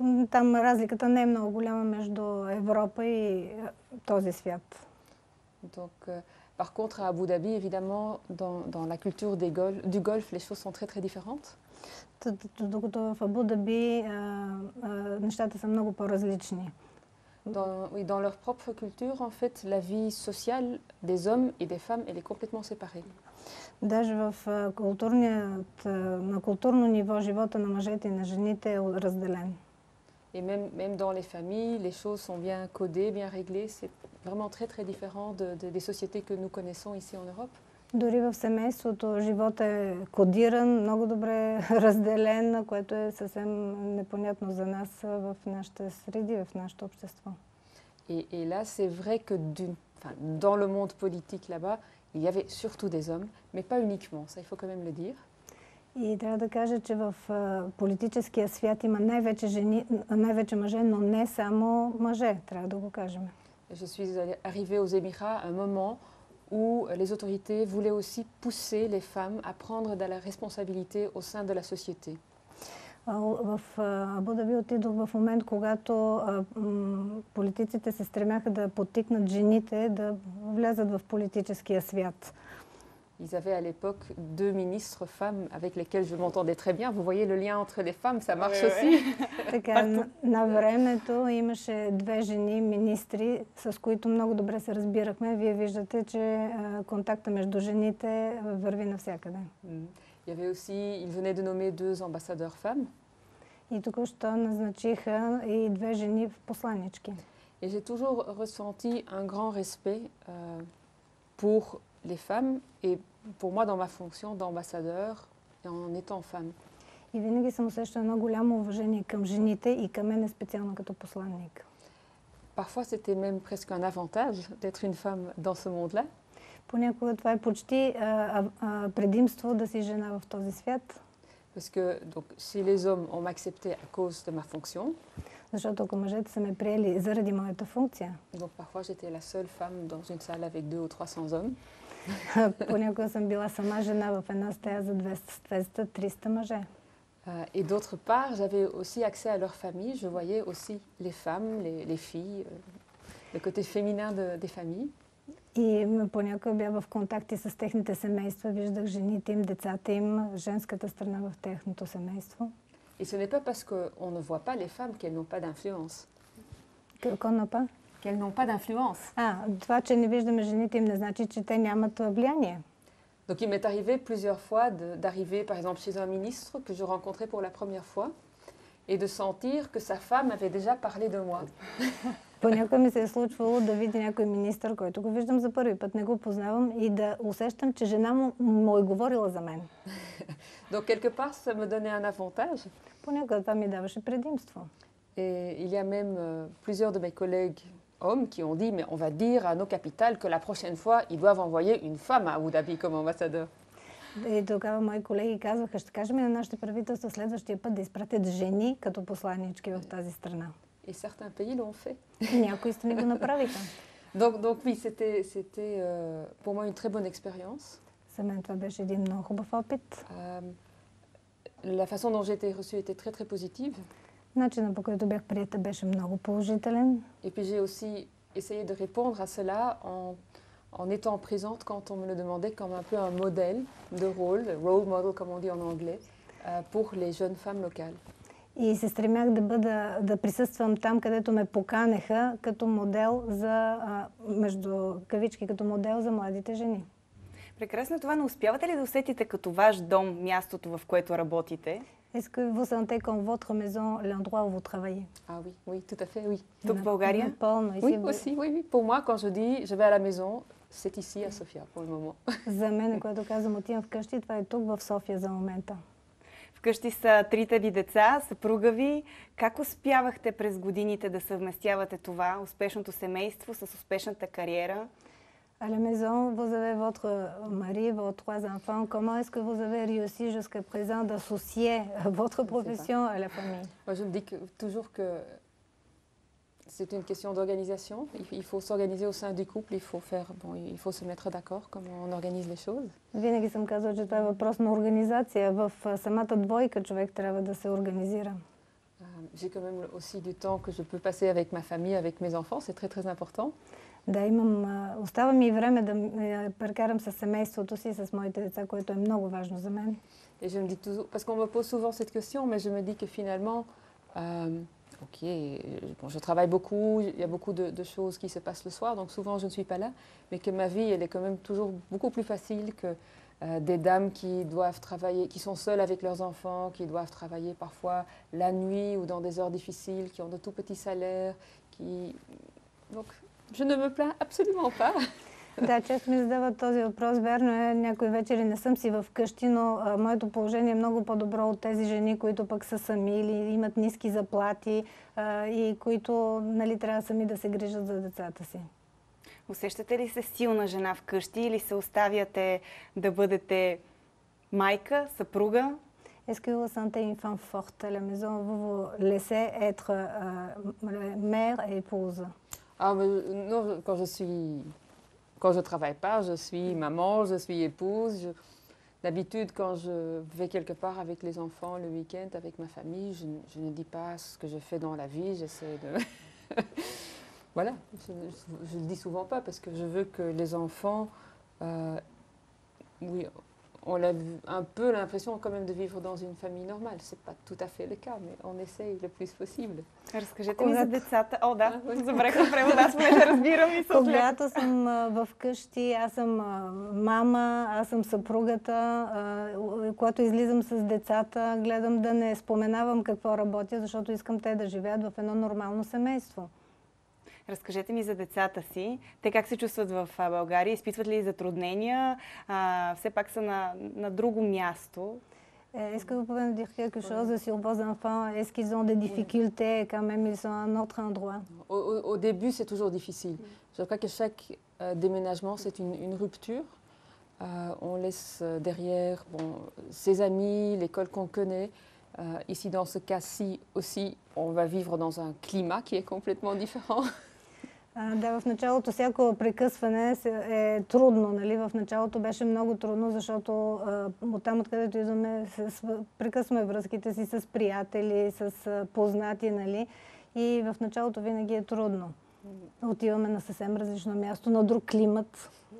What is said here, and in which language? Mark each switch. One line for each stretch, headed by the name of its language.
Bulgarian: Там разликата не е много голяма между Европа и този свят.
French: Donc, par contre, à Abu Dhabi, évidemment, dans la culture du golf, les choses sont très différentes.
Bulgarian: Докато в Абу Даби нещата са много по-различни.
French: Oui, dans leur propre culture, en fait, la vie sociale des hommes et des femmes, elle est complètement séparée.
Bulgarian: Даже в културно ниво, живота на мъжете и на жените е разделен.
French: Et même dans les familles, les choses sont bien codées, bien réglées. C'est vraiment très, très différent des sociétés que nous connaissons ici en Europe.
Bulgarian: Дори в семейството живот е кодиран, много добре разделен, което е съвсем непонятно за нас в нашите среди, в нашето общество.
French: Et là, c'est vrai que dans le monde politique là-bas, il y avait surtout des hommes, mais pas uniquement, ça il faut quand même le dire.
Bulgarian: И трябва да кажа, че в политическия свят има най-вече жени, най-вече мъже, но не само мъже, трябва да го кажем.
French: Je suis arrivée aux Émirats à un moment où les autorités voulaient aussi pousser les femmes à prendre de la responsabilité au sein de la société.
Bulgarian: В Абу Даби отидох в момент, когато политиците се стремяха да подтикнат жените да влязат в политическия свят.
French: Ils avaient à l'époque deux ministres femmes avec lesquelles je m'entendais très bien. Vous voyez le lien entre les femmes, ça marche aussi.
Bulgarian: Така, на времето имаше две жени министри, с които много добре се разбирахме. Вие виждате, че контакта между жените върви навсякъде.
French: Il y avait aussi, ils venaient de nommer deux ambassadeurs femmes.
Bulgarian: И току-що назначиха и две жени в посланнички.
French: Et j'ai toujours ressenti un grand respect pour les femmes et pour moi dans ma fonction d'ambassadeur et en étant femme.
Bulgarian: И винаги съм усещала едно голямо уважение към жените и към мен специално като посланник.
French: Parfois c'était même presque un avantage d'être une femme dans ce monde-là.
Bulgarian: Понякога това е почти предимство да си жена в този свят.
French: Parce que donc si les hommes ont accepté à cause de ma fonction.
Bulgarian: Защото ако мъжете са ме приели заради моята функция.
French: Donc parfois j'étais la seule femme dans une salle avec 2 ou 300 hommes.
Bulgarian: Понякога съм била сама жена в една стая за 200-300 мъже.
French: Et d'autre part, j'avais aussi accès à leur famille. Je voyais aussi les femmes, les filles, le côté féminin des familles.
Bulgarian: И понякога бях в контакти с техните семейства, виждах жените им, децата им, женската страна в техното семейство.
French: Et ce n'est pas parce qu'on ne voit pas les femmes qu'elles n'ont pas d'influence. Qu'on n'a pas? Qu'elles n'ont pas d'influence.
Bulgarian: Това, че не виждаме жените им, не значи, че те нямат влияние.
French: Donc il m'est arrivé plusieurs fois d'arriver, par exemple, chez un ministre que je rencontrais pour la première fois et de sentir que sa femme avait déjà parlé de moi.
Bulgarian: Понякога ми се е случвало да видя някой министър, който го виждам за първи път, не го познавам и да усещам, че жена му е говорила за мен.
French: Donc quelque part, ça me donnait un avantage.
Bulgarian: Понякога това ми даваше предимство.
French: Et il y a même plusieurs de mes collègues hommes qui ont dit, mais on va dire à nos capitales que la prochaine fois, ils doivent envoyer une femme à Abu Dhabi comme ambassadeur.
Bulgarian: И тогава мои колеги казваха, ще кажем на нашите правителства следващия път да изпратят жени като посланнички в тази страна.
French: Et certains pays l'ont fait.
Bulgarian: Някои страни го направиха.
French: Donc oui, c'était pour moi une très bonne expérience.
Bulgarian: За мен това беше един много хубав опит.
French: La façon dont j'ai été reçue était très très positive.
Bulgarian: Начинът, по който бях приета, беше много положителен.
French: Et puis j'ai aussi essayé de répondre à cela en étant présente quand on me le demandait comme un peu un modèle de rôle,
English: role model
French: comme on dit en anglais, pour les jeunes femmes locales.
Bulgarian: И се стремях да присъствам там, където ме поканеха като модел за между кавички като модел за младите жени. Прекрасно това, но успявате ли да усетите като ваш дом мястото, в което работите?
French: Est-ce que vous sentez comme votre maison l'endroit où vous travaillez? Ah oui, oui, tout à fait, oui. Donc Bulgarie? Pôlno, oui, aussi, oui, oui. Pour moi, quand je dis je vais à la maison, c'est ici à Sofia pour le moment.
Bulgarian: За мен, когато казвам отивам вкъщи, това е тук в София за момента. Вкъщи са трите ви деца, съпруга ви. Как успявахте през годините да съвместявате това успешното семейство с успешната кариера?
French: À la maison, vous avez votre mari, vos trois enfants. Comment est-ce que vous avez réussi jusqu'à présent d'associer votre profession à la famille? Moi, je me dis toujours que c'est une question d'organisation. Il faut s'organiser au sein du couple, il faut se mettre d'accord comment on organise les choses.
Bulgarian: Винаги съм казвала, че това е въпрос на организация. В самата двойка човек трябва да се организира.
French: J'ai quand même aussi du temps que je peux passer avec ma famille, avec mes enfants. C'est très, très important.
Bulgarian: Да, имам, остава ми време да прекарам със семейството си, с моите деца, което е много важно за мен.
French: Et je me dis toujours, parce qu'on me pose souvent cette question, mais je me dis que finalement, je travaille beaucoup, il y a beaucoup de choses qui se passent le soir, donc souvent je ne suis pas là, mais que ma vie, elle est quand même toujours beaucoup plus facile que des dames qui doivent travailler, qui sont seules avec leurs enfants, qui doivent travailler parfois la nuit ou dans des heures difficiles, qui ont de tout petits salaires, qui... Donc, je ne me plains absolument pas.
Bulgarian: Да, често ми задават този въпрос. Верно е, някои вечери не съм си вкъщи, но моето положение е много по-добро от тези жени, които пък са сами или имат ниски заплати и които, нали, трябва сами да се грижат за децата си. Усещате ли се силна жена вкъщи или се оставяте да бъдете майка, съпруга?
French: Est-ce que vous sentez une femme forte à la maison? Vous vous laissez être mère et épouse? Ah, mais non, quand je travaille pas, je suis maman, je suis épouse. D'habitude, quand je vais quelque part avec les enfants le week-end, avec ma famille, je ne dis pas ce que je fais dans la vie, j'essaie de... voilà, je le dis souvent pas, parce que je veux que les enfants... oui, on a un peu l'impression quand même de vivre dans une famille normale. C'est pas tout à fait le cas, mais on essaye le plus possible.
Bulgarian: Разкажете ми за децата. О, да, забрах да превода, аз понеже разбирам и съм. Когато съм вкъщи, аз съм мама, аз съм съпругата. Когато излизам с децата, гледам да не споменавам какво работя, защото искам те да живеят в едно нормално семейство. Разкажете ми за децата си. Те как се чувстват в България? Изпитват ли затруднения? Все пак са на друго място.
French: Est-ce que vous pouvez nous dire quelque chose sur vos enfants? Est-ce qu'ils ont des difficultés quand même? Ils sont à un autre endroit. Au début, c'est toujours difficile. Je crois que chaque déménagement, c'est une rupture. On laisse derrière ses amis, l'école qu'on connaît. Ici, dans ce cas-ci aussi, on va vivre dans un climat qui est complètement différent.
Bulgarian: Да, в началото всяко прекъсване е трудно, нали? В началото беше много трудно, защото оттам, откъдето идваме, прекъсваме връзките си с приятели, с познати, нали? И в началото винаги е трудно. Отиваме на съвсем различно място, на друг климат.